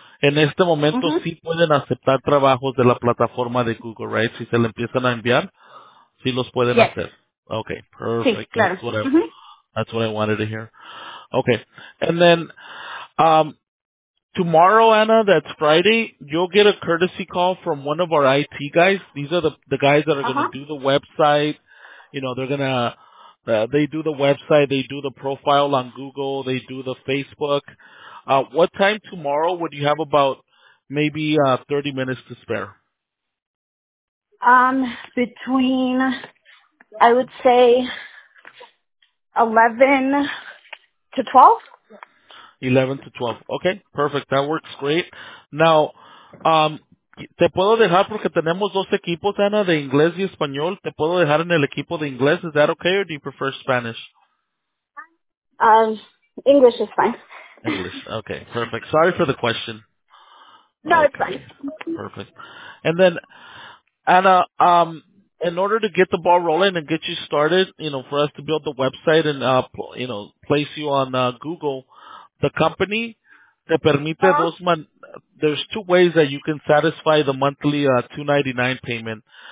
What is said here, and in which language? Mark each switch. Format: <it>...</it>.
<es>En este momento sí pueden aceptar trabajos de la plataforma de Google,</es> <en>right?</en> <es>Si se le empiezan a enviar, sí los pueden hacer.</es> <en>Okay. Perfect.</en> <es>Sí, claro.</es> <en>That's what I wanted to hear. Okay. And then tomorrow, Anna, that's Friday, you'll get a courtesy call from one of our IT guys. These are the guys that are going to do the website. You know, they're going to they do the website. They do the profile on Google. They do the Facebook. What time tomorrow would you have about maybe 30 minutes to spare? Between, I would say, 11 to 12. 11 to 12. Okay, perfect. That works great.</en> <es>Now, ¿te puedo dejar porque tenemos dos equipos, Ana, de inglés y español? ¿Te puedo dejar en el equipo de inglés?</es> <en>Is that okay or do you prefer Spanish? English is fine. English. Okay, perfect. Sorry for the question. No, okay. It's fine. Perfect. And then, Ana, in order to get the ball rolling and get you started, you know, for us to build the website and, you know, place you on Google, the company</en> <es>te permite</es> <en>there's two ways that you can satisfy the monthly $299 payment.</en>